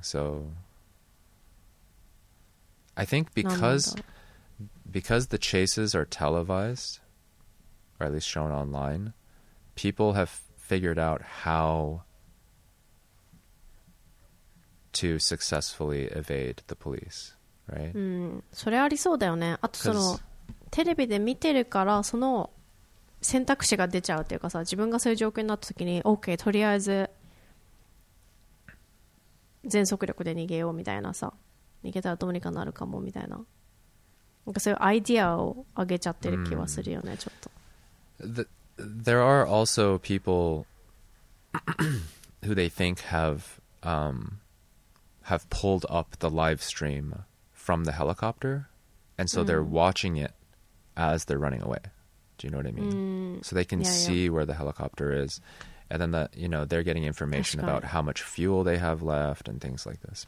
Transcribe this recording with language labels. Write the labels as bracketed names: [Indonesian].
[English] So I think because the chases are televised, or at least shown online, people have figured out how to successfully evade the police, right? [Japanese] それありそうだよね。あとそのテレビで見てるからその選択肢が出ちゃうというかさ、自分がそういう状況になった時に OK とりあえず全速力で逃げようみたいなさ、逃げたらどうにかなるかもみたいな、なんかそういうアイディアを上げちゃってる気はするよね。ちょっと [English] There are also people who they think have pulled up the live stream from the helicopter, and so they're watching it as they're running away. Do you know what I mean? So they can see where the helicopter is, and then you know, they're getting information about how much fuel they have left and things like this.